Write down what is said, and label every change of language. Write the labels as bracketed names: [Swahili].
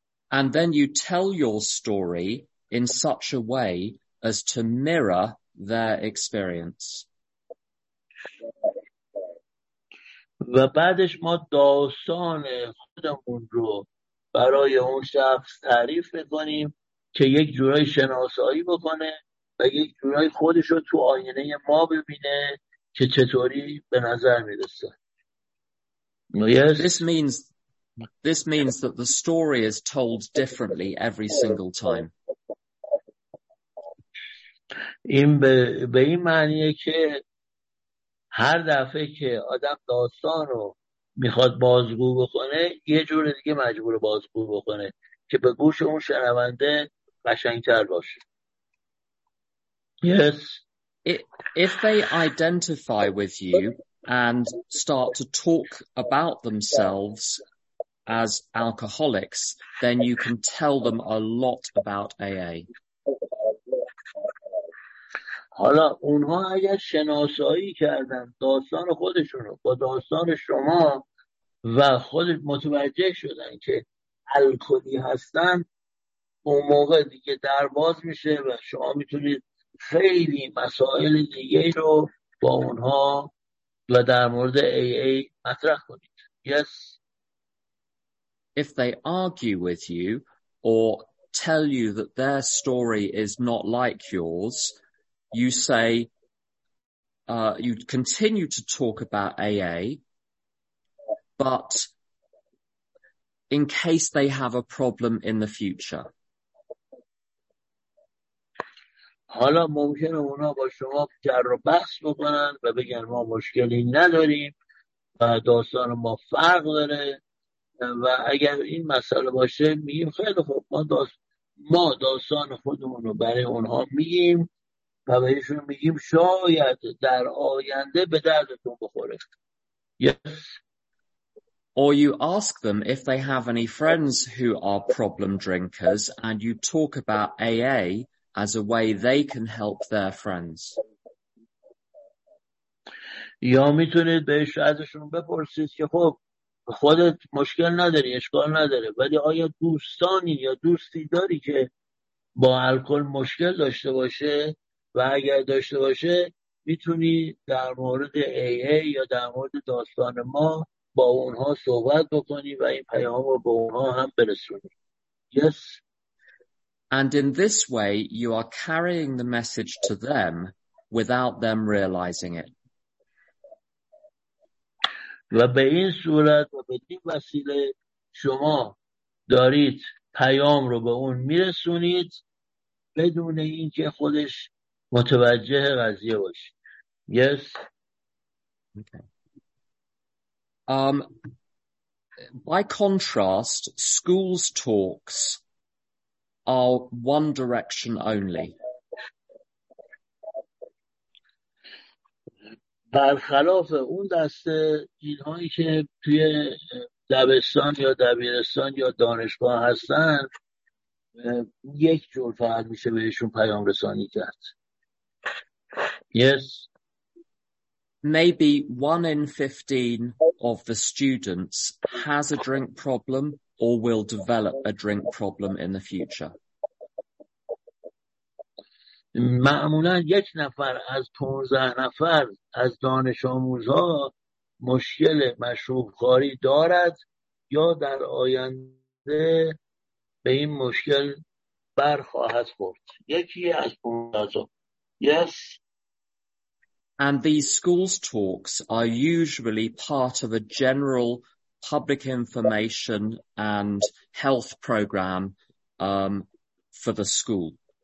[English] And then you tell your story in such a way as to mirror their experience. [Persian] و بعدش ما داستان خودمون رو برای اون شخص تعریف می‌کنیم که یک جورای شناسایی بکنه و یک جورای خودش رو تو آینه ما ببینه که چطوری به نظر میرسه. [English] This means that the story is told differently every single time. [Persian] این به این معنیه که هر دفعه که آدم داستان رو میخواد بازگو بکنه یه جور دیگه مجبور بازگو بکنه که به گوش اون شنونده قشنگتر باشه. [English] Yes. If they identify with you and start to talk about themselves as alcoholics, then you can tell them a lot about AA. [Persian] حالا اونها اگر شناسایی کردن داستان خودشون رو با داستان شما و خود متوجه شدن که الکلی هستن، اون موقع دیگه در باز میشه و شما میتونید خیلی مسائل دیگه رو با اونها و در مورد AA مطرح کنید. [English] Yes. If they argue with you or tell you that their story is not like yours, you say, you continue to talk about AA, but in case they have a problem in the future. [Persian] حالا ممکنه اونا با شما جر و بحث بکنن و بگن ما مشکلی نداریم و داستان ما فرق داره. و اگر این مسئله باشه میگیم خیلی خوب، ما داستان خودمون رو برای اونها میگیم و بهشون میگیم شاید در آینده به دردتون بخوره. [English] Yes. Or you ask them if they have any friends who are problem drinkers and you talk about AA as a way they can help their friends. [Persian] یا میتونید بهش ازشون بپرسید که خب خودت مشکل نداری اشکال نداره ولی آیا دوستانی یا دوستی داری که با الکل مشکل داشته باشه و اگر داشته باشه میتونی در مورد AA یا در مورد داستان ما با اونها صحبت بکنی و این پیام رو به اونها هم برسونی. [English] Yes. And in this way you are carrying the message to them without them realizing it. [Persian] و به این صورت و به این وسیله شما دارید پیام رو به اون میرسونید بدون اینکه خودش متوجه قضیه باشه. [English] Yes. Okay. By contrast, schools talks are one direction only. [Persian] برخلاف اون دسته اینهایی که توی دبستان یا دبیرستان یا دانشگاه هستن یک جور فقط میشه بهشون پیام رسانی کرد. [English] Yes. Maybe one in 15 of the students has a drink problem or will develop a drink problem in the future. [Persian] معمولا یک نفر از 15 نفر از دانش آموزها مشکل مشروب خواری دارد یا در آینده به این مشکل برخواهد خورد. یکی از 15. [English] Yes. And these schools talks are usually part of a general public information and health program for the school.